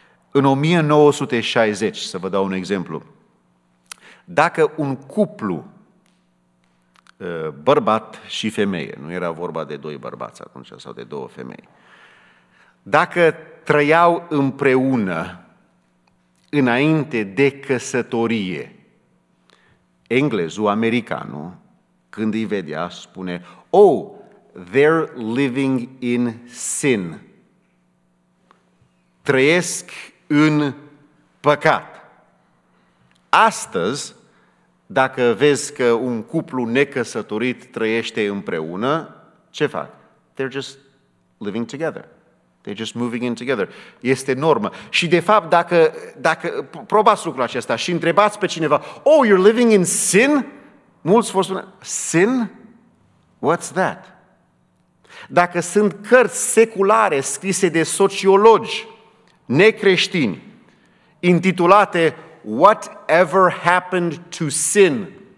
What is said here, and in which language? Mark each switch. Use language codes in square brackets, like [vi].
[ro] În 1960, să vă dau un exemplu, dacă un cuplu, bărbat și femeie, nu era vorba de doi bărbați atunci sau de două femei, dacă trăiau împreună înainte de căsătorie, englezul, americanul, când îi vedea, spune, [en] oh, they're living in sin. [ro] Trăiesc în păcat. Astăzi, dacă vezi că un cuplu necăsătorit trăiește împreună, ce fac? [en] They're just living together. They're just moving in together. [ro] Este normă. Și de fapt, dacă probați lucrul acesta și întrebați pe cineva, [en] oh, you're living in sin? [ro] Mulți vor spune, [en] sin? What's that? [ro] Dacă sunt cărți seculare scrise de sociologi necreștini, intitulate Whatever Happened to Sin?